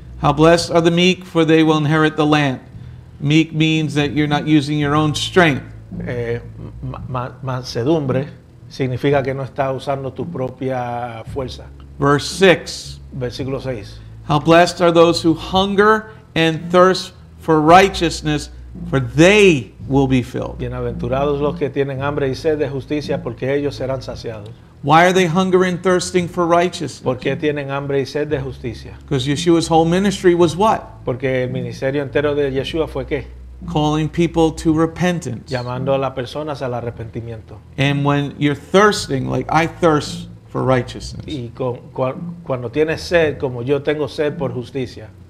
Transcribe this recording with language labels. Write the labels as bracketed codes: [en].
[en] How blessed are the meek, for they will inherit the land. Meek means that you're not using your own strength. [es] Mansedumbre significa que no está usando tu propia fuerza. [en] Verse 6. [es] Versículo 6. [en] How blessed are those who hunger and thirst for righteousness, for they will be filled. [es] Bienaventurados los que tienen hambre y sed de justicia, porque ellos serán saciados. [en] Why are they hungering and thirsting for righteousness? [es] ¿Por qué tienen hambre y sed de justicia? [en] Because Yeshua's whole ministry was what? [es] Porque el ministerio entero de Yeshua fue qué? [en] Calling people to repentance. [es] Llamando a las personas al arrepentimiento. [en] And when you're thirsting, like I thirst for righteousness. [es] Y cuando tienes sed, como yo tengo sed por justicia.